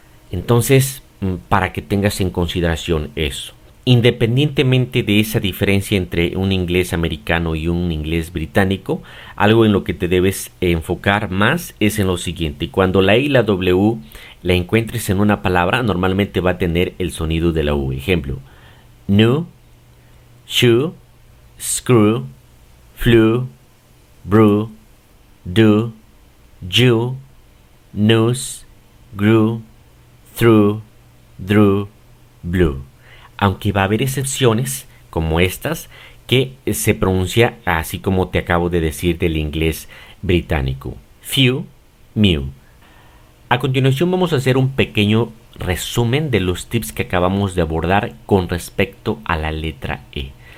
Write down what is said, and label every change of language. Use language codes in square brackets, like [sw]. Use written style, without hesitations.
[es] Entonces, para que tengas en consideración eso. Independientemente de esa diferencia entre un inglés americano y un inglés británico, algo en lo que te debes enfocar más es en lo siguiente. Cuando la E y la W la encuentres en una palabra, normalmente va a tener el sonido de la U. Ejemplo, [en] new, shoe, screw, flew, brew, do, jew, news, grew, through, drew, blew. [es] Aunque va a haber excepciones como estas que se pronuncia así como te acabo de decir del inglés británico. [en] Few, mew. [es] A continuación vamos a hacer un pequeño resumen de los tips que acabamos de abordar con respecto a la letra E.